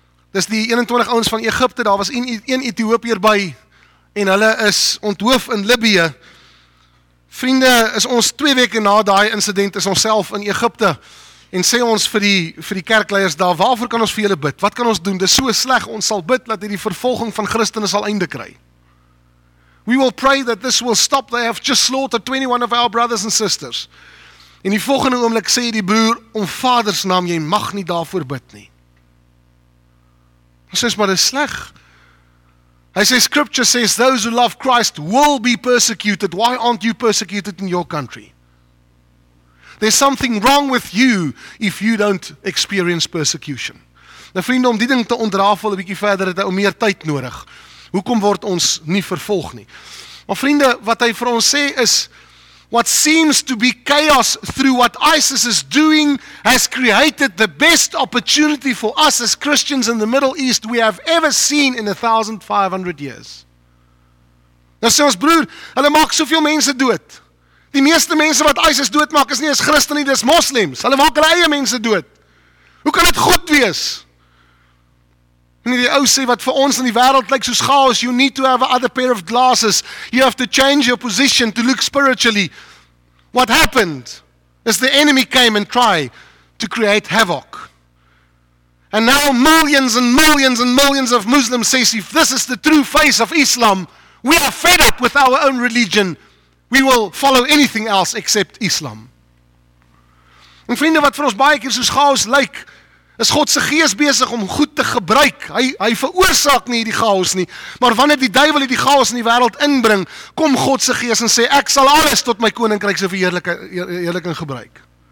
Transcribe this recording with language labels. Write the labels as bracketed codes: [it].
[af] Dis die 21 ouens van Egipte, daar was een Ethiopier by, en hulle is onthoof in Libië. Vriende, is ons 2 weke na die incident, is ons self in Egypte, en sê ons vir die kerkleiers daar, waarvoor kan ons vir julle bid? Wat kan ons doen? Dis so sleg, ons sal bid, dat die vervolging van Christene sal einde kry. [en] We will pray that this will stop, they have just slaughtered 21 of our brothers and sisters. [af] En die volgende oomblik sê die broer, om vaders naam, jy mag nie daarvoor bid nie. Hy sê, maar dit is sleg. Hy sê, [en] scripture says, those who love Christ will be persecuted. Why aren't you persecuted in your country? There's something wrong with you if you don't experience persecution. [af] Nou vriende, om die ding te ontrafel, 'n bietjie verder, het hy om meer tyd nodig. Hoekom word ons nie vervolg nie? Maar vriende, wat hy vir ons sê is, [en] what seems to be chaos through what ISIS is doing has created the best opportunity for us as Christians in the Middle East we have ever seen in 1,500 years. [af] Nou sê ons broer, hulle maak soveel mense dood. Die meeste mense wat ISIS dood maak is nie as Christen nie, dis moslims. Hulle maak hulle eie mense dood. Hoe kan dit goed wees? En die ou sê, wat vir ons in die wêreld lyk soos chaos, [en] you need to have another pair of glasses. You have to change your position to look spiritually. What happened is the enemy came and tried to create havoc. And now millions and millions and millions of Muslims say, if this is the true face of Islam, we are fed up with our own religion. We will follow anything else except Islam. [af] En vriende, wat vir ons baie keer soos chaos lyk, is God se gees besig om goed te gebruik. Hy veroorsaak nie die chaos nie, maar wanneer die duiwel die chaos in die wêreld inbring, kom God se gees en sê, ek sal alles tot my koninkryk se verheerliking gebruik.